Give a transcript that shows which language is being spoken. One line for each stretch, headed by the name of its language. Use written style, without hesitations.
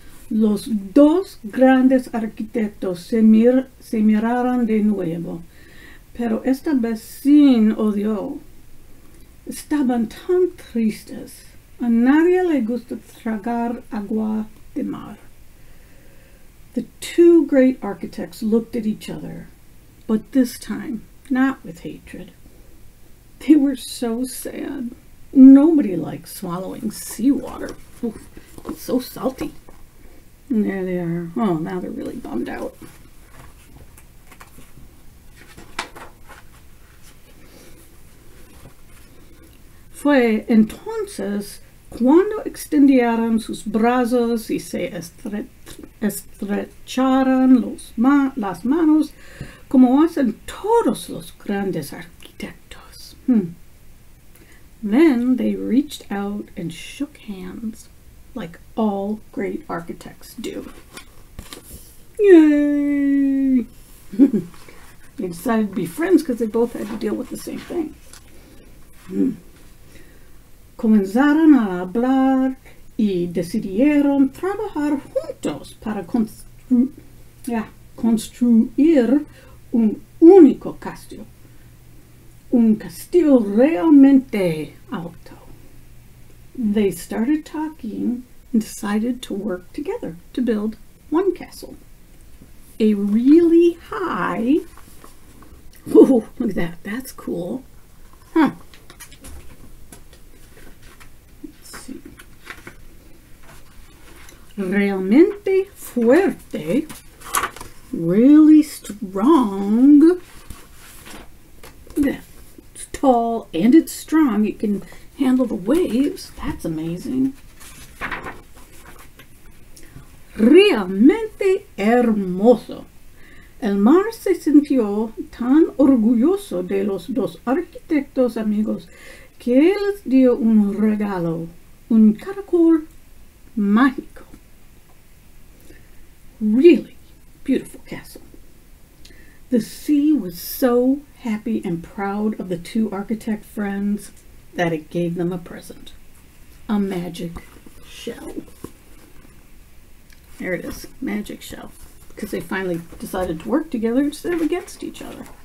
Spanish: Los dos grandes arquitectos se miraron de nuevo, pero esta vez sin odio. Estaban tan tristes. A nadie le gusta tragar agua de mar.
English: The two great architects looked at each other, but this time, not with hatred. They were so sad. Nobody likes swallowing seawater. Oof, it's so salty. And there they are. Oh, now they're really bummed out.
Spanish: Fue entonces cuando extendieron sus brazos y se estrecharon las manos como hacen todos los grandes arquitectos.
English: Then they reached out and shook hands like all great architects do. Yay! They decided to be friends because they both had to deal with the same thing.
Spanish: Comenzaron a hablar y decidieron trabajar juntos para construir un único castillo. Un castillo realmente alto.
English: They started talking and decided to work together to build one castle. A really high... Oh, look at that. That's cool. Huh.
Spanish: Realmente fuerte,
English: really strong. It's tall and it's strong. It can handle the waves. That's amazing.
Spanish: Realmente hermoso. El mar se sintió tan orgulloso de los dos arquitectos amigos que les dio un regalo, un caracol mágico.
English: Really beautiful castle. The sea was so happy and proud of the two architect friends that it gave them a present. A magic shell. There it is, magic shell. Because they finally decided to work together instead of against each other.